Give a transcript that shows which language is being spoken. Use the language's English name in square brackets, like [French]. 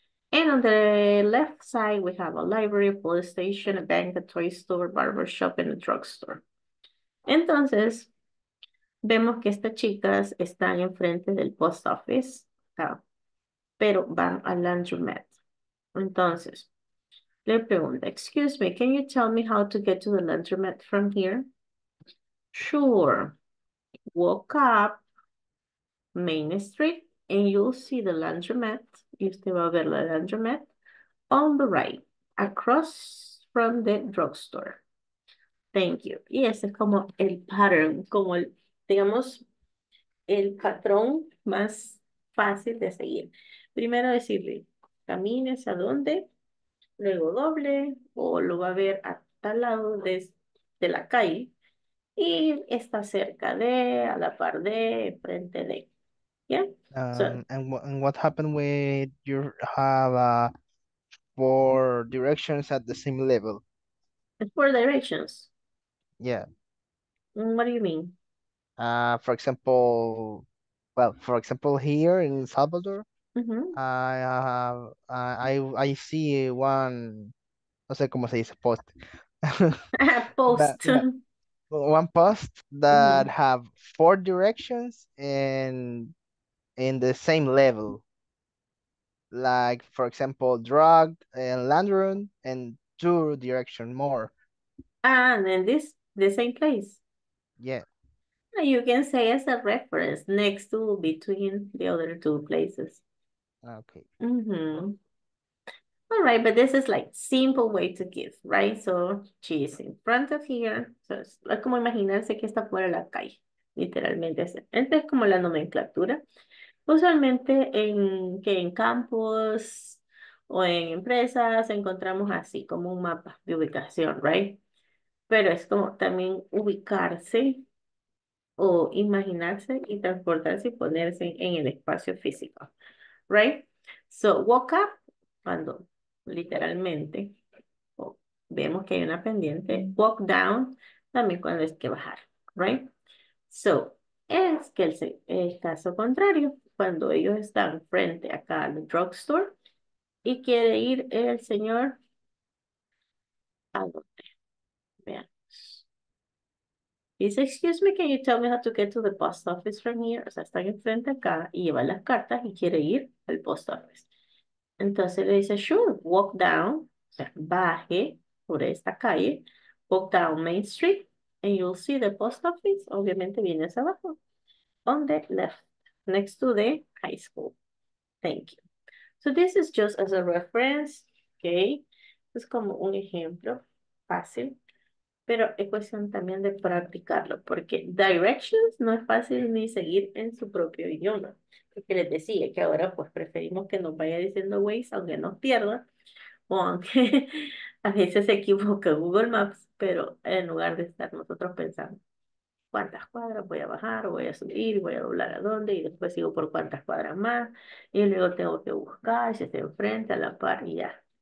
[English] And on the left side we have a library, a police station, a bank, a toy store, barber shop, and a drugstore. [Spanish] Entonces vemos que estas chicas están enfrente del post office, pero van al laundromat. Entonces, le pregunto, [English] excuse me, can you tell me how to get to the laundromat from here? Sure. Walk up Main Street and you'll see the laundromat. [Spanish] Y usted va a ver la [English] laundromat on the right, across from the drugstore. Thank you. [Spanish] Y ese es como el pattern, como el, digamos, el patrón más fácil de seguir. Primero decirle, camines a dónde, luego doble, o lo va a ver a tal lado de la calle, y está cerca de, a la par de, frente de. ¿Ya? [English] And what happened with you have four directions at the same level? Four directions? Yeah. What do you mean? For example, well, for example, here in Salvador, I see one, [Spanish] no sé cómo se dice, [English] post. Post. One post that have four directions and in the same level. Like, for example, drug and landroom and two direction more. And in this, the same place. Yeah. You can say as a reference next to between the other two places. Okay. All right, but this is like simple way to give, right? So she is in front of here. [Spanish] So es como imaginarse que está fuera de la calle, literalmente. Esta es como la nomenclatura. Usualmente en que en campus o en empresas encontramos así como un mapa de ubicación, right? Pero es como también ubicarse o imaginarse y transportarse y ponerse en el espacio físico, right? So [English] walk up, [Spanish] cuando literalmente vemos que hay una pendiente, [English] walk down [Spanish] también cuando es que bajar, right? So es que el caso contrario, cuando ellos están frente acá al drugstore y quiere ir el señor a dónde. Vean. [English] He says, excuse me, can you tell me how to get to the post office from here? [Spanish] O sea, están enfrente acá y lleva las cartas y quiere ir al post office. Entonces le dice, [English] sure, walk down, [Spanish] o sea, baje por esta calle, [English] walk down Main Street, and you'll see the post office, [Spanish] obviamente viene hacia abajo, [English] on the left, next to the high school. Thank you. So this is just as a reference, okay? [Spanish] Es como un ejemplo fácil, pero es cuestión también de practicarlo, porque directions no es fácil ni seguir en su propio idioma. Que les decía que ahora pues preferimos que nos vaya diciendo Waze aunque nos pierda o aunque a veces se equivoque Google Maps, pero en lugar de estar nosotros pensando cuántas cuadras voy a bajar, voy a subir, voy a doblar a dónde y después sigo por cuántas cuadras más y luego tengo que buscar si está enfrente, a la par y ya.